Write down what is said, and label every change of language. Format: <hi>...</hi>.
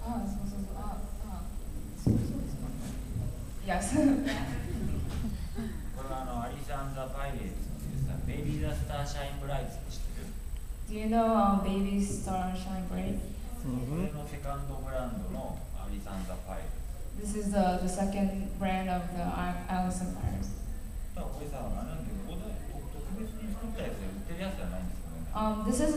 <ja>か？ああ、そうそうそう。そうですか。Yes. これはアリス&ザ・パイレーツっていうさ、ベイビー・ザ・スター・シャイン・ブライツって知ってる？</ja> <en>Do you know ベイビー・スター・シャイン・ブライツ？</en> <ja>これのセカンドブランドのアリス&ザ・パイレーツ。</ja> <en>This is the second brand of the Alice and Pirates.</en> <ja>これさ、なんで、ここで特別に作ったやつで売ってるやつじゃないんですか？</ja>